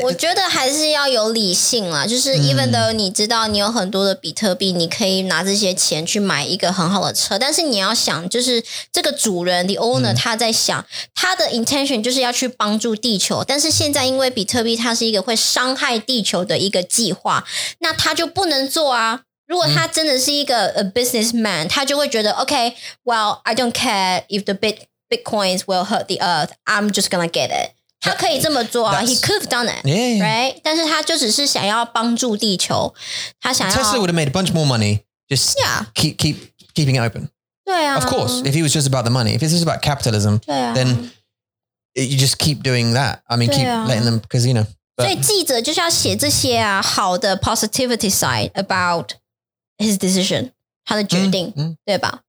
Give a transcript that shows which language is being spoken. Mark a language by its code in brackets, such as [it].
[zh] 我觉得还是要有理性啦，就是 even though 你知道你有很多的比特币，你可以拿这些钱去买一个很好的车，但是你要想，就是这个主人 [en] the owner [zh] 他在想，他的 intention 就是要去帮助地球，但是现在因为比特币它是一个会伤害地球的一个计划，那他就不能做啊。如果他真的是一个 [en] a businessman, [zh] 他就会觉得 [en] okay, well, I don't care if the bitcoins will hurt the earth, I'm just gonna get it. [zh] 他可以这么做啊 [en] he could have done it, right? [zh] 但是他就只是想要帮助地球他想要 [en] Tesla would have made a bunch more money just keeping it open. [zh] 对啊 [en] Of course, if he was just about the money, if it's just about capitalism, then you just keep doing that. I mean, keep letting them, because, you know. [zh] But, 所以记者就是要写这些啊好的 [en] positivity side about,His decision, [zh] 他的决定，对吧？